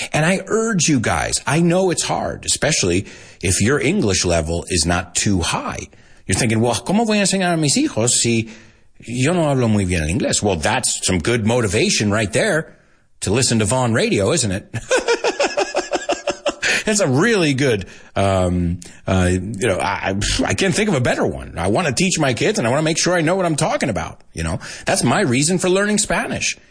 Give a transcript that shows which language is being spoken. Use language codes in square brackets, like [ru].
[en] And I urge you guys, I know it's hard, especially if your English level is not too high. [es] You're thinking, well, ¿cómo voy a enseñar a mis hijos si yo no hablo muy bien el inglés? [en] Well, that's some good motivation right there to listen to Vaughn Radio, isn't it? It's a really good, I can't think of a better one. I want to teach my kids and I want to make sure I know what I'm talking about. You know, that's my reason for learning Spanish.